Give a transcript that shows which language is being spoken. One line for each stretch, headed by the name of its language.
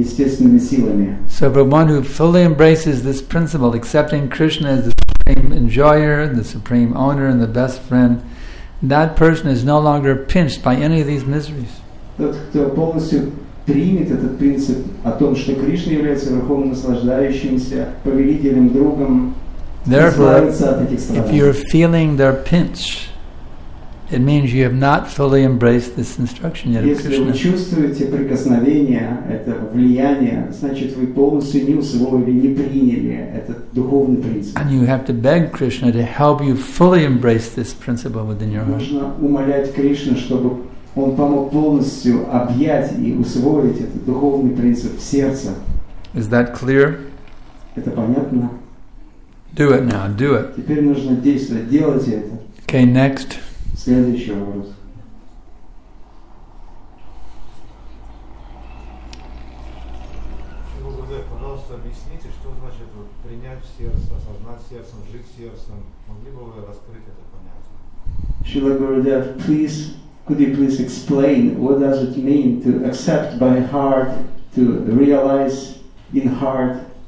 English: So for one who fully embraces this principle, accepting Krishna as the supreme enjoyer, the supreme owner, and the best friend, that person is no longer pinched by any of these miseries.
Russian: Тот, кто полностью примет этот принцип о том, что Кришна является верховным наслаждающимся, повелителем, другом,
English: therefore,
Russian: избавится от этих страданий.
English: If you're feeling their pinch, it means you have not fully embraced this instruction yet.
Russian: Если вы чувствуете прикосновение, это влияние, значит вы полностью не усвоили, не приняли этот духовный принцип.
English: And you have to beg Krishna to help you fully embrace this principle within your heart.
Russian: Нужно умолять Кришну, чтобы Он помог полностью объять и усвоить этот духовный принцип в сердце.
English: Is that clear?
Russian: Это понятно?
English: Do it now, do it.
Russian: Теперь нужно действовать, делайте это.
English: Okay, next.
Russian: Следующий вопрос. Пожалуйста, объясните, что значит принять сердце, осознать сердцем, жить сердцем. Могли бы вы раскрыть это понятие?
English: Шрила Гурудев, please. Could you please explain what does it mean to accept by heart, to realize in heart?